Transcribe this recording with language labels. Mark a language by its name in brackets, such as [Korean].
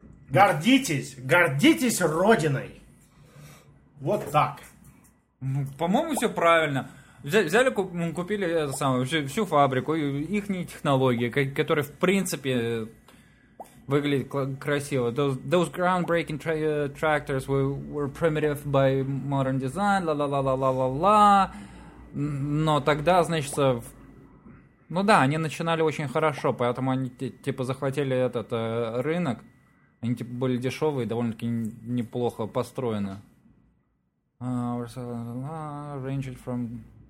[Russian] Гордитесь, гордитесь родиной. Вот так. Ну, по-моему, все правильно. Взяли, купили это самое, всю фабрику, их технологии, которые в принципе выглядят красиво. [English] Those groundbreaking tractors were primitive by modern design, ла-ла-ла-ла-ла-ла-ла. [Russian] Но тогда, значит, ну да, они начинали очень хорошо, поэтому они типа захватили этот рынок. Они типа были дешевые, довольно-таки неплохо построены. [English] Ranged from...